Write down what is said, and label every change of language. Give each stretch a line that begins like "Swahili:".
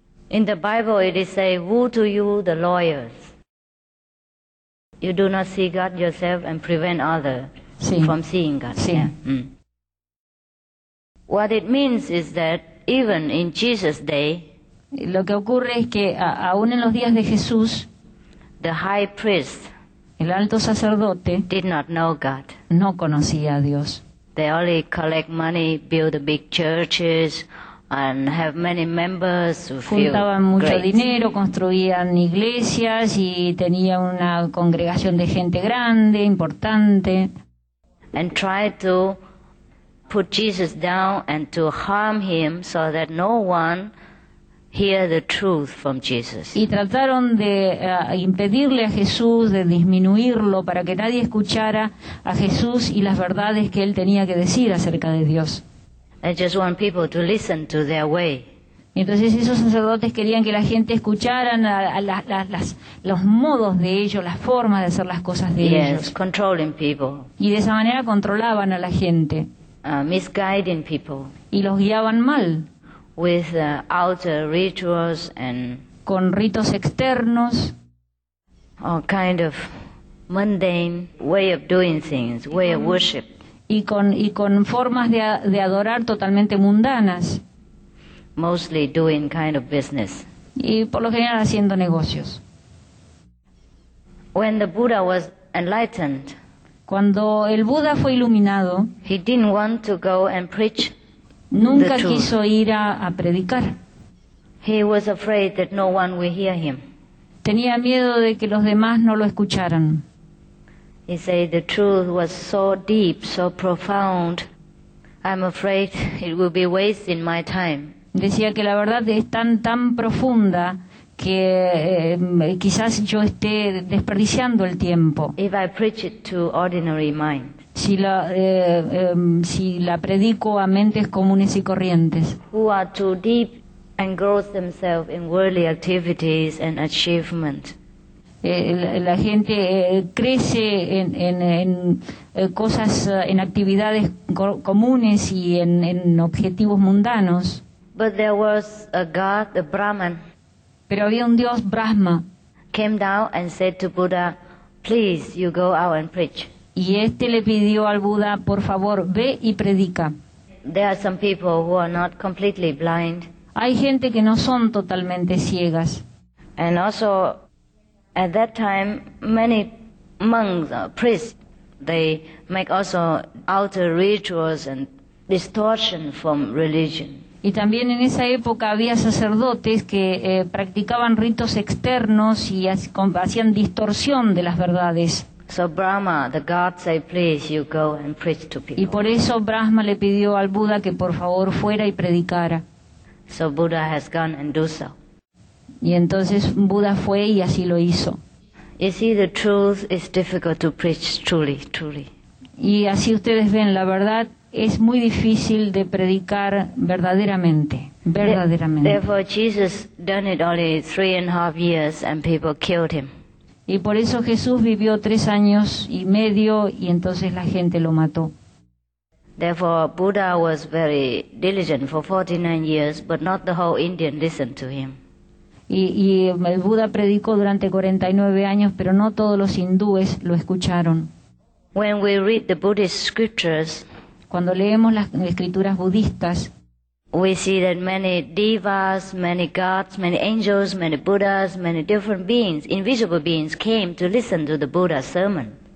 English: In the Bible, it is say, woe to you, the lawyers. You do not see God yourself and prevent others from seeing God. What it means is that even in Jesus' day,
Spanish: lo que ocurre es que aún en los días de Jesús,
English: the high priest,
Spanish: el alto sacerdote,
English: did not know God.
Spanish: No conocía a Dios.
English: They only collect money, build big churches, and have many members who feel great.
Spanish: Juntaban mucho dinero, construían iglesias y tenía una congregación de gente grande, importante.
English: And tried to put Jesus down and to harm him so that no one hear the truth from Jesus.
Spanish: Y trataron de impedirle a Jesús, de disminuirlo para que nadie escuchara a Jesús y las verdades que él tenía que decir acerca de Dios.
English: They just want people to listen to their way.
Spanish: Entonces esos sacerdotes querían que la gente escucharan los modos de ellos, las formas de hacer las cosas de ellos.
English: Yes, controlling people.
Spanish: Y de esa manera controlaban a la gente.
English: Misguiding people.
Spanish: Y los guiaban mal.
English: With outer rituals and
Spanish: con ritos externos.
English: All kind of mundane way of doing things, way of worship.
Spanish: Y con formas de adorar totalmente mundanas.
English: Mostly doing kind of business.
Spanish: Y por lo general haciendo negocios.
English: When the Buddha was enlightened,
Spanish: Cuando el Buda fue iluminado,
English: he didn't want to go and preach
Spanish: nunca
English: the
Spanish: quiso
English: truth.
Spanish: Ir a predicar.
English: He was afraid that no one would hear him.
Spanish: Tenía miedo de que los demás no lo escucharan.
English: He said the truth was so deep, so profound. I'm afraid it will be wasting my time.
Spanish: Decía que la verdad es tan profunda que quizás yo esté desperdiciando el tiempo.
English: If I preach it to ordinary mind.
Spanish: Si la predico a mentes comunes y corrientes.
English: Who are too deep and engross themselves in worldly activities and achievement.
Spanish: La gente crece en cosas, en actividades comunes y en objetivos mundanos.
English: But there was a god, a Brahman.
Spanish: Pero había un dios Brahma.
English: Came down and said to Buddha, "Please, you go out and preach."
Spanish: Y este le pidió al Buda, por favor, ve y predica.
English: There are some people who are not completely blind.
Spanish: Hay gente que no son totalmente ciegas.
English: And also, at that time, many monks, priests, they make also outer rituals and distortion from religion.
Spanish: Y también en esa época había sacerdotes que practicaban ritos externos y hacían distorsión de las verdades.
English: So Brahma, the god, said, "Please, you go and preach to people."
Spanish: Y por eso Brahma le pidió al Buda que por favor fuera y predicara.
English: So Buddha has gone and do so.
Spanish: Y entonces Buda fue y así lo hizo.
English: You see, the truth is difficult to preach truly, truly.
Spanish: Y así ustedes ven, la verdad es muy difícil de predicar verdaderamente, verdaderamente.
English: Therefore, Jesus done it only 3.5 years and people killed him.
Spanish: Y por eso Jesús vivió 3 años y medio y entonces la gente lo mató.
English: Therefore, Buddha was very diligent for 49 years, but not the whole Indian listened to him.
Spanish: Y el Buda predicó durante 49 años, pero no todos los hindúes lo escucharon.
English: When we read the Buddhist scriptures,
Spanish: cuando leemos las escrituras budistas,
English: we see that many devas, many gods, many angels, many Buddhas, many different beings, invisible beings, came to listen to the Buddha's sermon.